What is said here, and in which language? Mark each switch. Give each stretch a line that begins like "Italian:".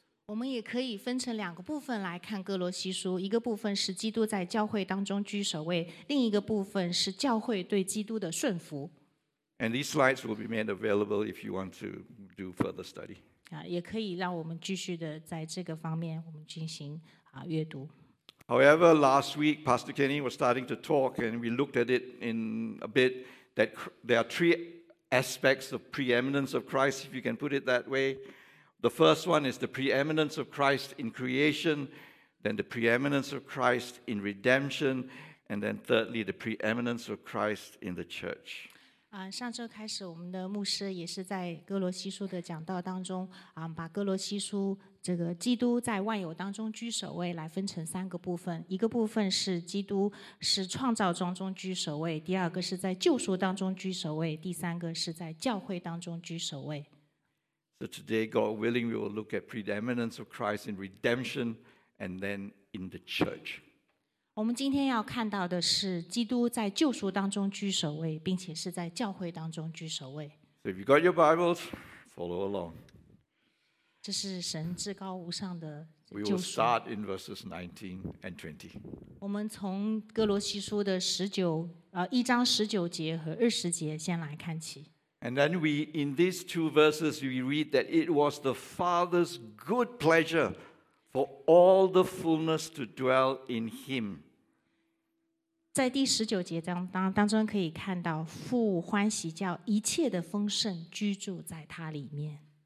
Chinese: 我们也可以分成两个部分来看哥罗西书，一个部分是基督在教会当中居首位，另一个部分是教会对基督的顺服。
English: And these slides will be made available if you want to do further study.
Chinese: 也可以让我们继续的在这个方面我们进行阅读。
English: However, last week Pastor Kenny was starting to talk, and we looked at it in a bit that there are three aspects of preeminence of Christ, if you can put it that way. The first one is the preeminence of Christ in creation, then the preeminence of Christ in redemption, and then thirdly, the preeminence of Christ in the church.
Chinese: 上周开始，我们的牧师也是在哥罗西书的讲道当中，把哥罗西书这个基督在万有当中居首位来分成三个部分，一个部分是基督是创造当中居首位，第二个是在救赎当中居首位，第三个是在教会当中居首位。
English: So today, God willing, we will look at preeminence of Christ in redemption and then in the church.
Chinese: 我们今天要看到的是基督在救赎当中居首位，并且是在教会当中居首位。
English: So if you got your Bibles, follow along.
Chinese: 这是神至高无上的救赎。
English: We will start in verses 19 and 20.
Chinese: 我们从哥罗西书的一章十九节和二十节先来看起。
English: And then we, in these two verses, we read that it was the Father's good pleasure for all the fullness to dwell in Him.
Chinese: 在第十九节当中可以看到，父欢喜叫一切的丰盛居住在他里面。